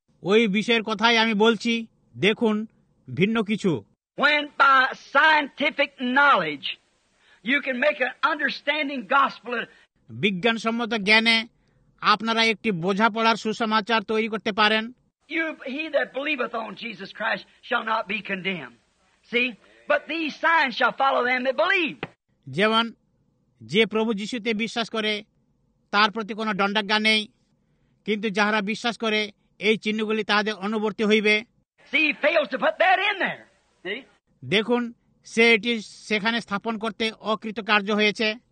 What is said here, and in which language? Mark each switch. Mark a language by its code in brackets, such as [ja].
[bn] ওই বিষয়ের কথাই আমি বলছি দেখুন ভিন্ন কিছু। [en] When by scientific knowledge you can make an understanding gospel, [bn] বিজ্ঞানসম্মত জ্ঞানে আপনারা একটি বোঝাপড়ার সুসমাচার তৈরি করতে পারেন। [en] He that believeth on Jesus Christ shall not be condemned. See? But these signs shall follow them that believe. [bn] যেমন যে প্রভু যীশুতে বিশ্বাস করে তার প্রতি কোনো দণ্ডাজ্ঞা নেই কিন্তু যাহারা বিশ্বাস করে এই চিহ্নগুলি তাহাদের অনুবর্তী হইবে। [en] See, he fails to put that in there. See? [bn] দেখুন সে এটি সেখানে স্থাপন করতে অকৃতকার্য হয়েছে।